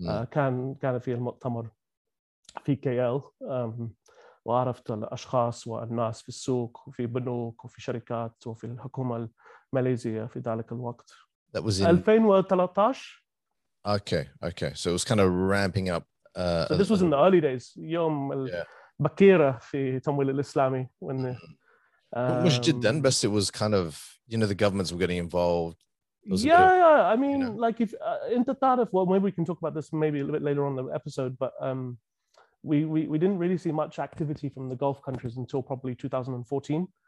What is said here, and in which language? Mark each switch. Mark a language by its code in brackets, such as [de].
[ar] كان في المؤتمر في KL وعرفت الأشخاص والناس في السوق وفي بنوك وفي شركات وفي الحكومة الماليزية في ذلك الوقت. [en] That was in 2013. Okay. So it was kind of ramping up. So this was in the early days. [ar] يوم البكيرة في تمويل الإسلامي. مش جدا, [en] but it was kind of, you know, the governments were getting involved. I mean, you know. Like if, [ar] أنت تعرف, [en] well, maybe we can talk about this maybe a little bit later on in the episode, but we didn't really see much activity from the Gulf countries until probably 2014.